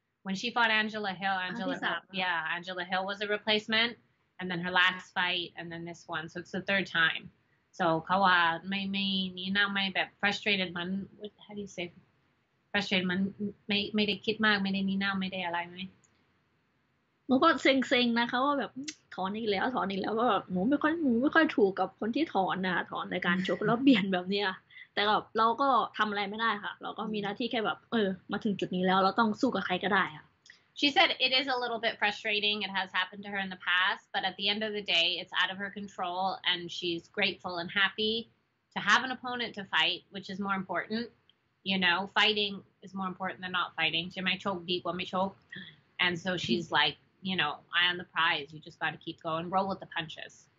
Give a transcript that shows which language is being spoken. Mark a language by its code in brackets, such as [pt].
[en] When she fought Angela Hill, Angela Hill was a replacement and then her last fight and then this one. So it's the third time. [th] So เขาว่าไม่นี่น่าไม่แบบ frustrated มัน [en] how do you say frustrated [th] มันไม่ได้คิดมากไม่ได้นี่น่าไม่ได้อะไรไหม หนูก็เซ็งเซ็งนะคะว่าแบบถอนอีกแล้วถอนอีกแล้วก็แบบหนูไม่ค่อยถูกกับคนที่ถอนนะถอนในการชกแล้วเบียนแบบเนี้ยแต่แบบเราก็ทำอะไรไม่ได้ค่ะเราก็มีหน้าที่แค่แบบมาถึงจุดนี้แล้วเราต้องสู้กับใครก็ได้ค่ะ [en] She said it is a little bit frustrating. It has happened to her in the past, but at the end of the day, it's out of her control, and she's grateful and happy to have an opponent to fight, which is more important. You know, fighting is more important than not fighting. She might choke deep, won't choke, and so she's like, you know, eye on the prize. You just got to keep going, roll with the punches.